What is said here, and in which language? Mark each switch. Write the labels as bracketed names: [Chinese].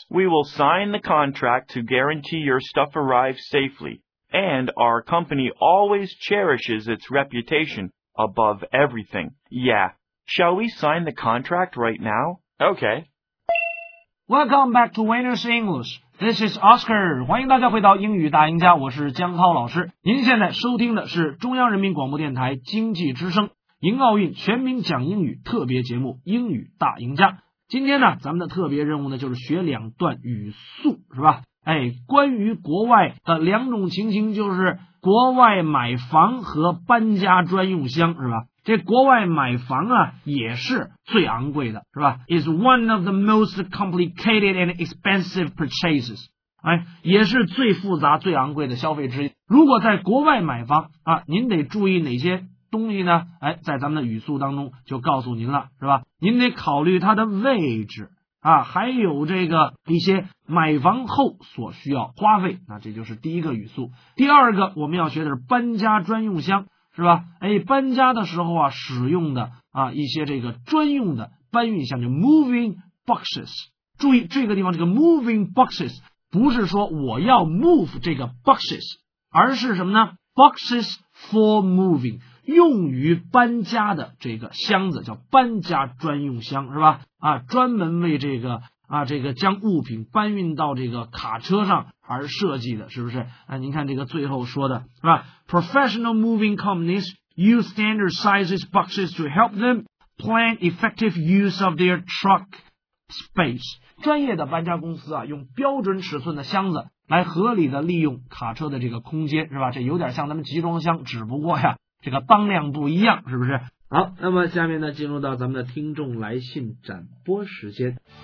[English] We will sign the contract to guarantee your stuff arrives safely, and our company always cherishes its reputation above everything. Yeah, shall we sign the contract right now? Okay. Welcome back to Winners English. This is Oscar. [Chinese] 欢迎大家回到英语大赢家，我是江涛老师。您现在收听的是中央人民广播电台经济之声迎奥运全民讲英语特别节目英语大赢家。今天呢，咱们的特别任务呢，就是学两段语速，是吧？哎，关于国外的两种情形，就是国外买房和搬家专用箱，是吧？这国外买房啊，也是最昂贵的，是吧？ [English] Is one of the most complicated and expensive purchases. [Chinese] 哎，也是最复杂最昂贵的消费之一。如果在国外买房啊，您得注意哪些东西呢？哎，在咱们的语速当中就告诉您了，是吧？您得考虑它的位置啊，还有这个一些买房后所需要花费，那这就是第一个语速。第二个我们要学的是搬家专用箱，是吧？哎，搬家的时候啊，使用的啊一些这个专用的搬运箱，就 moving boxes。注意这个地方，这个 moving boxes 不是说我要 move 这个 boxes， 而是什么呢？ [English] boxes for moving， [Chinese] 用于搬家的这个箱子叫搬家专用箱，是吧？啊，专门为这个啊这个将物品搬运到这个卡车上而设计的，是不是？啊，您看这个最后说的是吧， [English] Professional moving companies use standard sizes boxes to help them plan effective use of their truck space. [Chinese] 专业的搬家公司啊，用标准尺寸的箱子来合理的利用卡车的这个空间，是吧？这有点像咱们集装箱，只不过呀这个当量不一样，是不是？好，那么下面呢，进入到咱们的听众来信展播时间。